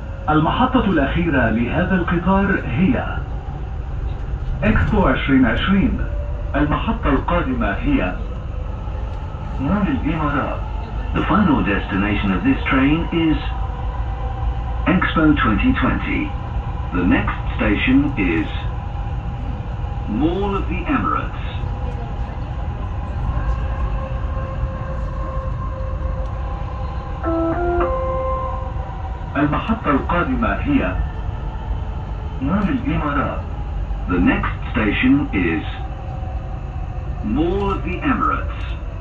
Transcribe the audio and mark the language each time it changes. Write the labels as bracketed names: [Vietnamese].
[Arabic] المحطة الأخيرة لهذا القطار هي إكسبو 2020. المحطة القادمة هي مول الإمارات. [English] The final destination of this train is Expo 2020. The next station is Mall of the Emirates. [Arabic] المحطة القادمة هي مول الإمارات. [English] The next station is Mall of the Emirates.